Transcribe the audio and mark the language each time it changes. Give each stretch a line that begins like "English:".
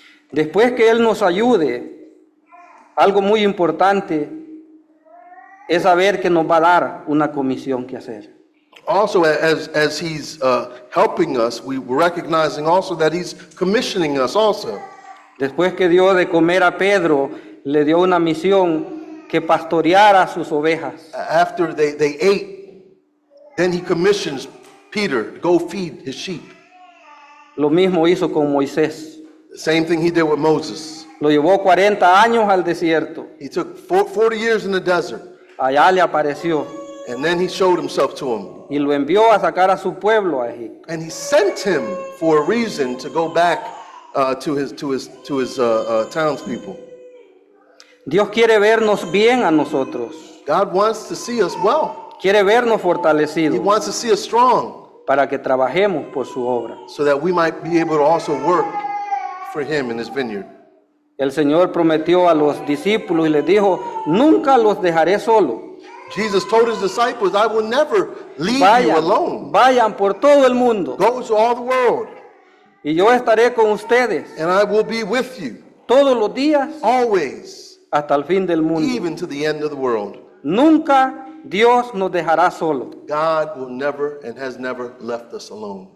Spanish: Después que él nos ayude, algo muy importante es saber que nos va a dar una comisión que hacer.
English: Also, as he's helping us, we're recognizing also that he's commissioning us also.
Spanish: Después que dio de comer a Pedro, le dio una misión que pastoreara sus ovejas.
English: After they ate, then he commissions Peter to go feed his sheep.
Spanish: Lo mismo hizo con Moisés.
English: The same thing he did with Moses.
Spanish: Lo llevó 40 años al desierto.
English: He took 40 years in the desert.
Spanish: Allá le apareció.
English: And then he showed himself to him.
Spanish: Y lo envió a sacar a su pueblo a Egipto.
English: And he sent him for a reason to go back to his townspeople.
Spanish: Dios quiere vernos bien a nosotros.
English: God wants to see us well.
Spanish: Quiere vernos fortalecidos.
English: He wants to see us strong.
Spanish: Para que trabajemos por su obra.
English: So that we might be able to also work for him in his vineyard.
Spanish: El Señor prometió a los discípulos y les dijo, nunca los dejaré solo.
English: Jesus told his disciples, I will never leave you alone.
Spanish: Vayan por todo el mundo.
English: Go to all the world.
Spanish: Y yo estaré con ustedes.
English: And I will be with you.
Spanish: Todos los días.
English: Always.
Spanish: Hasta el fin del mundo.
English: Even to the end of the world.
Spanish: Nunca Dios nos dejará solo.
English: God will never and has never left us alone.